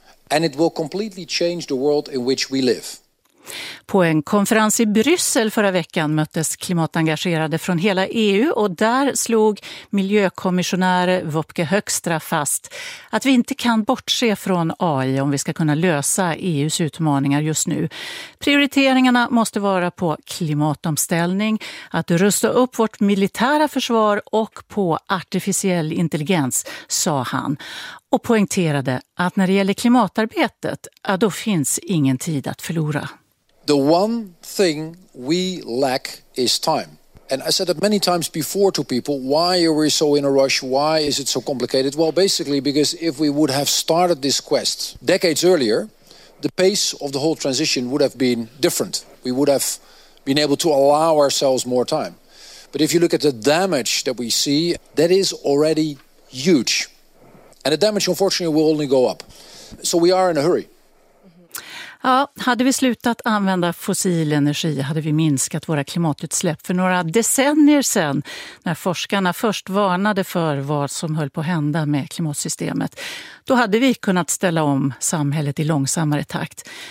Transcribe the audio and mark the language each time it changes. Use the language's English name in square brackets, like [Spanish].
[English] And it will completely change the world in which we live. [Swedish] På en konferens i Bryssel förra veckan möttes klimatengagerade från hela EU, och där slog miljökommissionär Wopke Hoekstra fast att vi inte kan bortse från AI om vi ska kunna lösa EUs utmaningar just nu. Prioriteringarna måste vara på klimatomställning, att rusta upp vårt militära försvar och på artificiell intelligens, sa han. Och poängterade att när det gäller klimatarbetet, ja, då finns ingen tid att förlora. [English] The one thing we lack is time. And I said it many times before to people, why are we so in a rush? Why is it so complicated? Well, basically because if we would have started this quest decades earlier, the pace of the whole transition would have been different. We would have been able to allow ourselves more time. But if you look at the damage that we see, that is already huge. And the damage, unfortunately, will only go up. So we are in a hurry. [Swedish] Ja, hade vi slutat använda fossil energi hade vi minskat våra klimatutsläpp för några decennier sedan, när forskarna först varnade för vad som höll på att hända med klimatsystemet. Då hade vi kunnat ställa om samhället i långsammare takt.